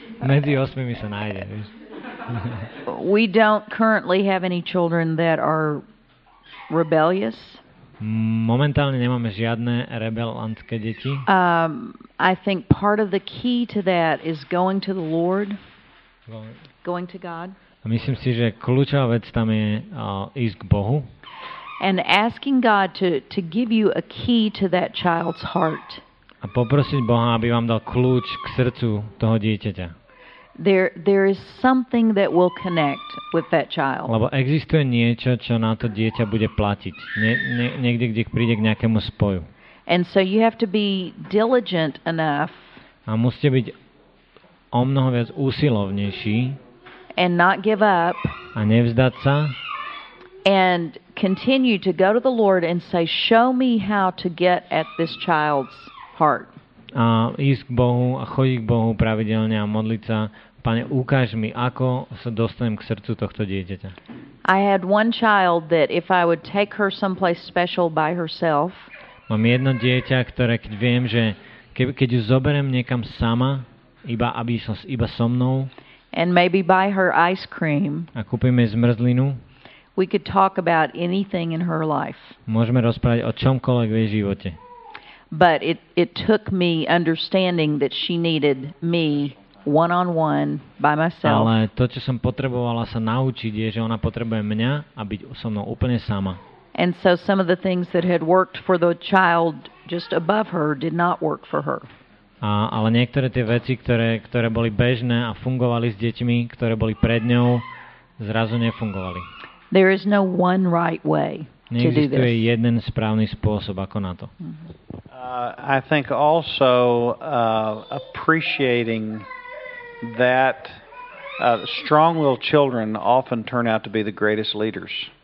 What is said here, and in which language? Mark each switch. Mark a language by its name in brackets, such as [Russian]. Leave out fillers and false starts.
[English] We don't currently have any children that are rebellious. [Slovak] Momentálne nemáme žiadne rebelantské deti. [English] I think part of the key to that is going to the Lord. Going to God. [Slovak] A myslím si, že kľúčová vec tam je ísť k Bohu. [English] And asking God to give you a key to that child's heart. [Slovak] A poprosiť Boha, aby vám dal kľúč k srdcu toho dieťaťa. [English] There is something that will connect with that child. [Slovak] Lebo existuje niečo, čo na to dieťa bude platiť. Niekde, kde príde k nejakému spoju. [English] And so you have to be diligent enough. [Slovak] A musíte byť o mnoho viac úsilovnejší. [English] And not give up. [Slovak] A nevzdať sa. [English] And continue to go to the Lord and say, show me how to get at this child's heart. [Slovak] A ísť k Bohu a chodiť k Bohu pravidelne a modliť sa. Pane, ukáž mi, ako sa dostanem k srdcu tohto dieťaťa. [English] I had one child that if I would take her someplace special by herself. [Slovak] Mám jedno dieťa, ktoré keď viem, že keď ju zoberiem niekam sama, iba aby som iba so mnou. [English] And maybe buy her ice cream. [Slovak] A kúpime zmrzlinu. [English] We could talk about anything in her life. [Slovak] Môžeme rozprávať o čomkoľvek v jej živote. [English] But it took me understanding that she needed me one-on-one by myself. [Slovak] Ale to, čo som potrebovala sa naučiť, je, že ona potrebuje mňa a byť so mnou úplne sama. [English] And so some of the things that had worked for the child just above her did not work for her. [Slovak] Ale niektoré tie veci, ktoré boli bežné a fungovali s deťmi, ktoré boli pred ňou, zrazu nefungovali. [English] There is no one right way to do this. [Slovak] Neexistuje jeden správny spôsob ako na to. [English] I think also appreciating that strong-willed children often turn out to be the greatest leaders.